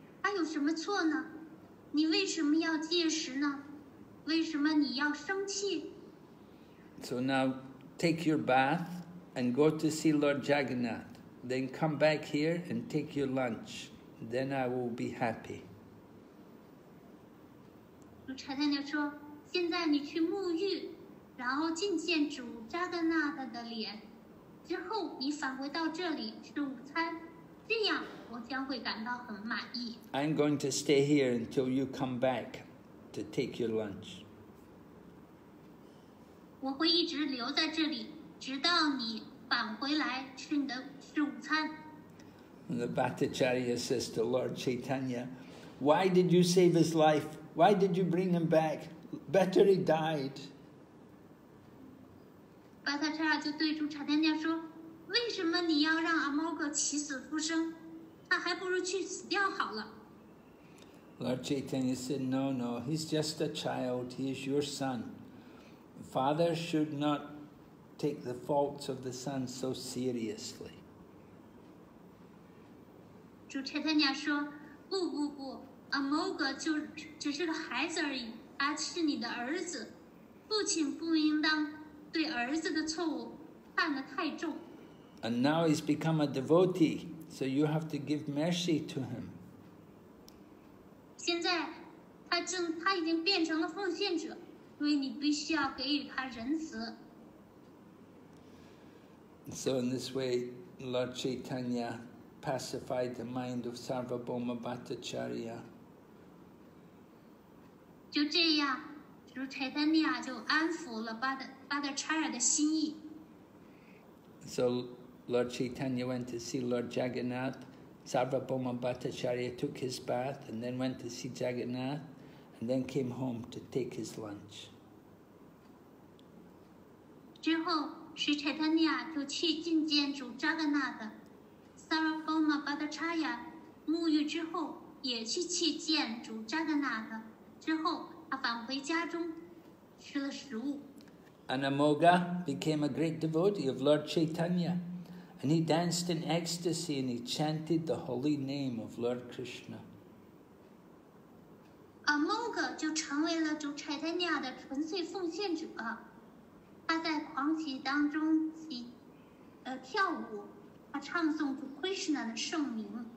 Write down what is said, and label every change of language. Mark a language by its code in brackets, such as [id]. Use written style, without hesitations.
[zh] 他有什么错呢？你为什么要戒食呢？为什么你要生气 [en] ？So now, take your bath and go to see Lord Jagannath. Then come back here and take your lunch. Then I will be happy. [zh] 如柴太娘说：“现在你去沐浴，然后觐见主扎格纳达的脸，之后你返回到这里吃午餐。” 这样我将会感到很满意。 [en] I'm going to stay here until you come back to take your lunch. [zh] 我会一直留在这里，直到你返回来吃你的午餐。 [en] And the Bhattacharya says to Lord Chaitanya, "Why did you save his life? Why did you bring him back? Better he died." [zh] Bhattacharya 就对住柴田家说。为什么你要让阿猫哥起死复生？他还不如去死掉好了。 [en] Lord Chaitanya said, "No, no. He's just a child. He is your son. Father should not take the faults of the son so seriously." [zh] 主柴太娘说：“不不不，阿猫哥就只是个孩子而已，他是你的儿子。父亲不应当对儿子的错误看得太重。” [en] And now he's become a devotee, so you have to give mercy to him. [zh] 现在他已经变成了奉献者，所以你必须要给予他仁慈。 [en] So in this way, Lord Chaitanya pacified the mind of Sarvabhauma Bhattacharya. [zh] 就这样，如 Chaitanya 就安抚了 Bhattacharya 的心意。 [en] So Lord Chaitanya went to see Lord Jagannath. Sarvabhauma Bhattacharya took his bath and then went to see Jagannath and then came home to take his lunch. [zh] 之后是 Chaitanya 就去觐见主 Jagannath. Sarvabhauma Bhattacharya 沐浴之后也去去见主 Jagannath. 之后他返回家中吃了食物。 [en] And Amoga became a great devotee of Lord Chaitanya. And he danced in ecstasy and he chanted the holy name of Lord Krishna. [zh] Amoga 就成为了主 Chaitanya 的纯粹奉献者，他在狂喜当中跳舞，他唱诵主 Krishna 的圣名。